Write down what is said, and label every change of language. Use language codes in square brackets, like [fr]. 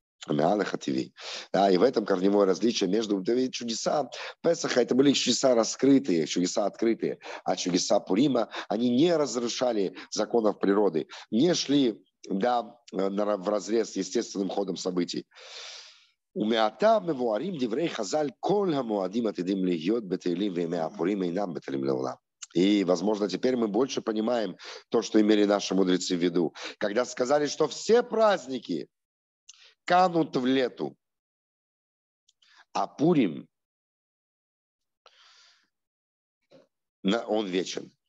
[ru] Да, и в этом корневое различие между чудеса Песаха, это были чудеса раскрытые, чудеса открытые, а чудеса Пурима, они не разрушали законов природы, не шли, да, вразрез с естественным ходом событий. [he] ומעתה מבוארים דברי חז"ל כל המועדים עתידים להיות בתהילים וימי הפורים אינם בתהילים לעולם. [ru] И, возможно, теперь мы больше понимаем то, что имели наши мудрецы в виду. Когда сказали, что все праздники канут в лету, а Пурим, он вечен.